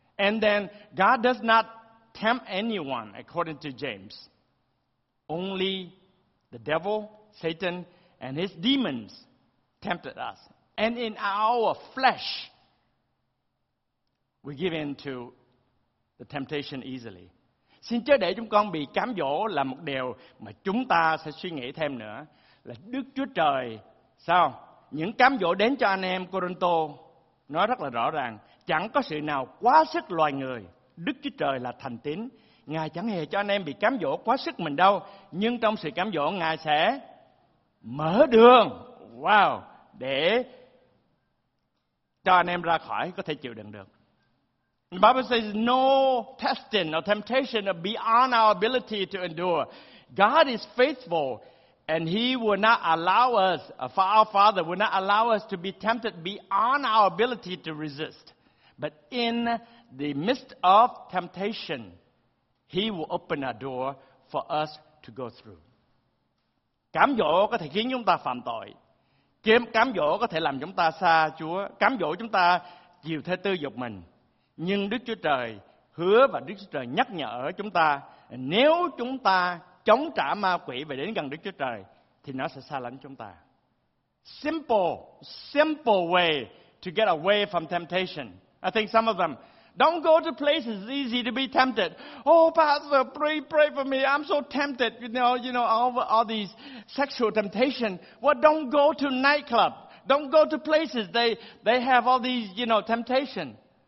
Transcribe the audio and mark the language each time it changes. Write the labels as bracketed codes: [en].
[en] And then God does not tempt anyone, according to James. Only the devil, Satan, and his demons tempted us. And in our flesh, we give in to the temptation easily. [vi] Xin chớ để chúng con bị cám dỗ là một điều mà chúng ta sẽ suy nghĩ thêm nữa. Là Đức Chúa Trời, sao? Những cám dỗ đến cho anh em Corinto nói rất là rõ ràng. Chẳng có sự nào quá sức loài người. Đức Chúa Trời là thành tín. Ngài chẳng hề cho anh em bị cám dỗ quá sức mình đâu. Nhưng trong sự cám dỗ, Ngài sẽ mở đường. Wow! Để cho anh em ra khỏi, có thể chịu đựng được. [en] The Bible says no testing or temptation are beyond our ability to endure. God is faithful, and he will not allow us, for our Father will not allow us to be tempted beyond our ability to resist. But in the midst of temptation, he will open a door for us to go through. [vi] Cám dỗ có thể khiến chúng ta phạm tội. Cám dỗ có thể làm chúng ta xa Chúa. Cám dỗ chúng ta chiều theo tư dục mình. Nhưng Đức Chúa Trời hứa và Đức Chúa Trời nhắc nhở chúng ta, nếu chúng ta chống trả ma quỷ và đến gần Đức Chúa Trời, thì nó sẽ xa lánh chúng ta. [en] Simple way to get away from temptation. I think some of them, don't go to places easy to be tempted. Oh, Pastor, pray for me. I'm so tempted, you know, all these sexual temptation. Well, don't go to nightclub. Don't go to places they have all these, you know, temptation.